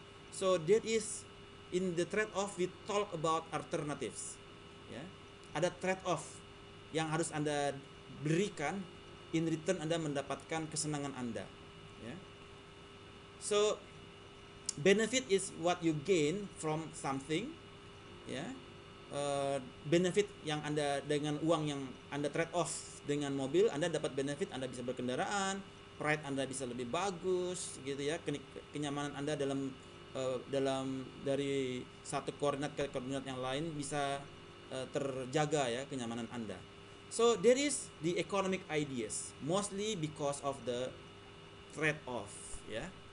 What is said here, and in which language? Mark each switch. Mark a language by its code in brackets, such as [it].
[en] So that is in the trade-off we talk about alternatives ya. [id] Ada trade-off yang harus Anda berikan, [en] in return [id] Anda mendapatkan kesenangan Anda ya. [en] So benefit is what you gain from something ya. [id] Benefit yang Anda dengan uang yang Anda trade-off dengan mobil, Anda dapat benefit, Anda bisa berkendaraan, pride Anda bisa lebih bagus gitu ya, kenyamanan Anda dalam dalam dari satu koordinat ke koordinat yang lain bisa terjaga ya kenyamanan Anda. [en] So there is the economic ideas mostly because of the trade off ya.